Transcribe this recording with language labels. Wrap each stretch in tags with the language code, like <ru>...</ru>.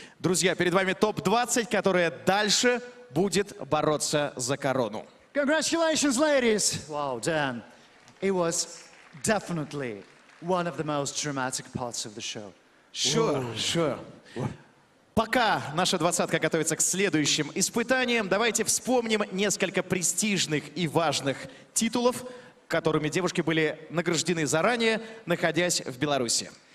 <ru>Друзья, перед вами топ 20, которая дальше будет бороться за корону.</ru> <en>Congratulations, ladies. Wow, Dan, it was definitely one of the most dramatic parts of the show. Sure, sure.</en> <ru>Пока наша двадцатка готовится к следующим испытаниям, давайте вспомним несколько престижных и важных титулов, которыми девушки были награждены заранее, находясь в Беларуси.</ru>